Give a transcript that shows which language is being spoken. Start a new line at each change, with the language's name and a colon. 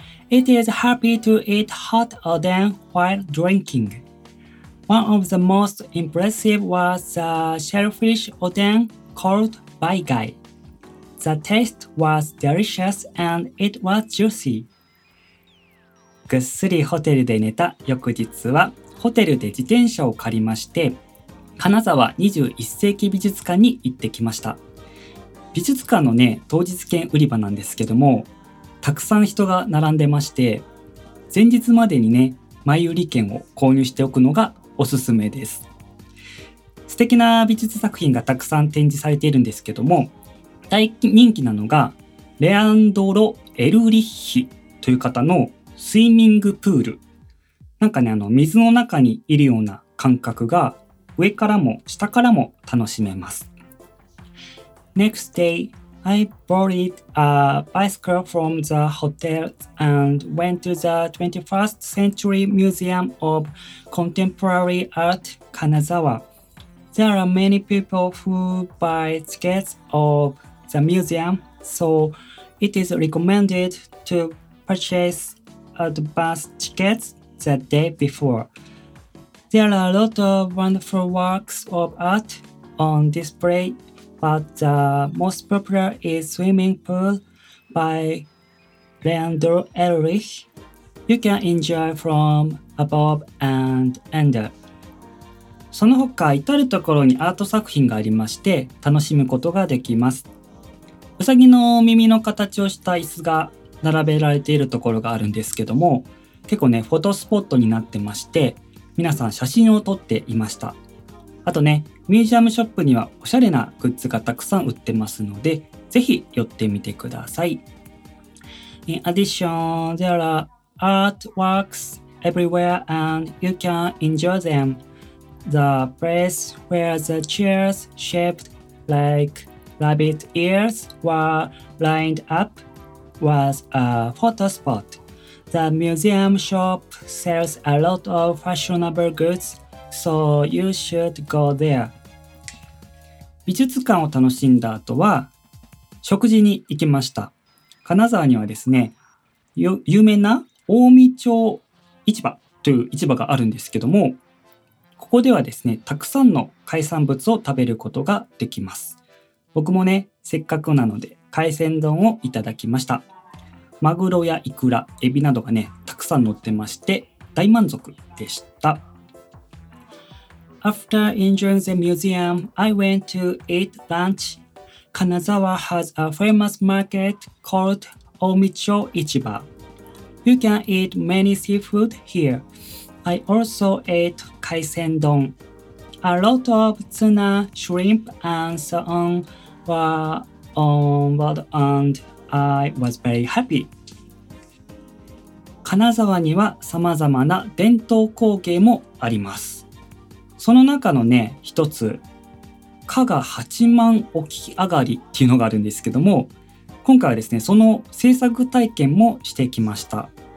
English: It is happy to eat hot oden while drinking. One of the most impressive was the shellfish oden called Baigai. The taste was delicious and it was juicy.
Japanese: ぐっすりホテルで寝た翌日は、ホテルで自転車を借りまして、金沢21世紀美術館に行ってきました。美術館のね、当日券売り場なんですけども、たくさん人が並んでまして、前日までにね、前売り券を購入しておくのがおすすめです。素敵な美術作品がたくさん展示されているんですけども、大人気なのがレアンドロ・エルリッヒという方のスイミングプール。なんかね、あの水の中にいるような感覚が上からも下からも楽しめます。
English: Next day, I borrowed a bicycle from the hotel and went to the 21st Century Museum of Contemporary Art, Kanazawa. There are many people who buy tickets ofthe museum, so it is recommended to purchase advance tickets the day before. There are a lot of wonderful works of art on display, but the most popular is Swimming Pool by Leandro Ehrlich. You can enjoy from above and under.
Japanese: その他、至るところにアート作品がありまして、楽しむことができます。ウサギの耳の形をした椅子が並べられているところがあるんですけども、結構ねフォトスポットになってまして、皆さん写真を撮っていました。あとね、ミュージアムショップにはおしゃれなグッズがたくさん売ってますので、ぜひ寄ってみてください。
English: In addition, there are artworks everywhere and you can enjoy them. The place where the chairs shaped likeRabbit ears were lined up was a photo spot. The museum shop sells a lot of fashionable goods, so you should go there.
Japanese: 美術館を楽しんだ後は食事に行きました。金沢にはですね、有名な近江町市場という市場があるんですけども、ここではですね、たくさんの海産物を食べることができます。僕もね、せっかくなので海鮮丼をいただきました。マグロやイクラ、エビなどがね、たくさん乗ってまして、大満足でした。
English: After enjoying the museum, I went to eat lunch. Kanazawa has a famous market called Omicho Ichiba. You can eat many seafood here. I also ate 海鮮丼。 A lot of tuna, shrimp, and so on were on board, and I was very happy.
Japanese: 金沢には様々な伝統工芸もあります。その中のね、一つ、加賀八幡沖上がりっていうのがあるんですけども、今回はですね、その制作体験もしてきました。